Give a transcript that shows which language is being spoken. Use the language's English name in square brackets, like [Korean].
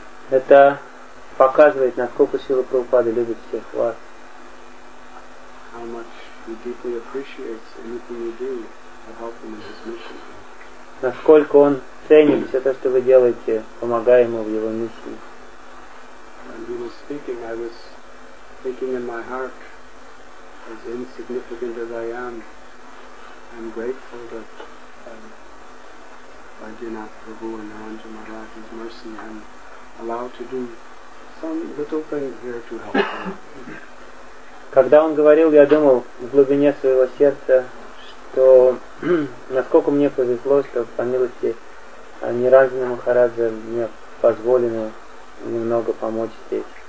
[Russian] Это показывает, насколько Шрила Прабхупада любит всех вас. [English] How much he deeply appreciates anything you do to help him in his mission. [Russian] Насколько он ценит все то, что вы делаете, помогая ему в его миссии. [English] When he was speaking, I was thinking in my heart, as insignificant as I am, I'm grateful that Vaidyanath Prabhu and Narendra Maharaj, his mercy, I'm allowed to do some little things here to help them. [Russian] Когда он говорил, я думал в глубине своего сердца, что насколько мне повезло, что по милости Нирандана Махараджа мне позволено немного помочь здесь.